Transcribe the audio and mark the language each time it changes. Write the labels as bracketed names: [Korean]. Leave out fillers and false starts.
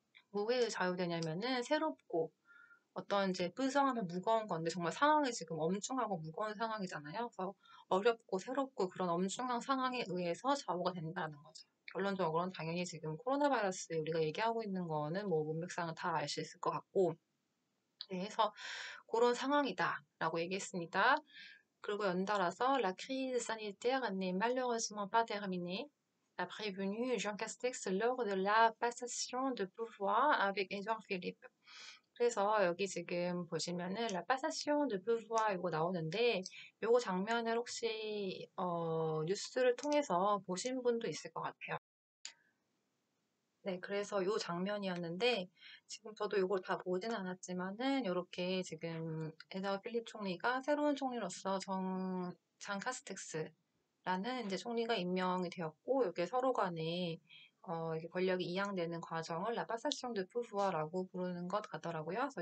[Korean] 뭐에 좌우되냐면은 새롭고 어떤 이제 뿌성하면 무거운 건데 정말 상황이 지금 엄중하고 무거운 상황이잖아요. 그래서 어렵고 새롭고 그런 엄중한 상황에 의해서 좌우가 된다는 거죠. 결론적으로는 당연히 지금 코로나 바이러스 우리가 얘기하고 있는 거는 뭐 문맥상은 다알수 있을 것 같고 그래서 그런 상황이다라고 얘기했습니다. 그리고 연달아서 [French] La crise sanitaire n'est malheureusement pas terminée, a prévenu Jean Castex lors de la passation de pouvoir avec Édouard Philippe. [Korean] 그래서 여기 지금 보시면은 La passation de pouvoir 이거 나오는데 이거 장면을 혹시 뉴스를 통해서 보신 분도 있을 것 같아요. 네, 그래서 요 장면이었는데 지금 저도 이걸 다 보진 않았지만은 이렇게 지금 에드워드 필립 총리가 새로운 총리로서 장 카스텍스라는 이제 총리가 임명이 되었고 이게 서로 간에 이게 권력이 이양되는 과정을 라 파사시옹 드 푸부아라고 부르는 것 같더라고요.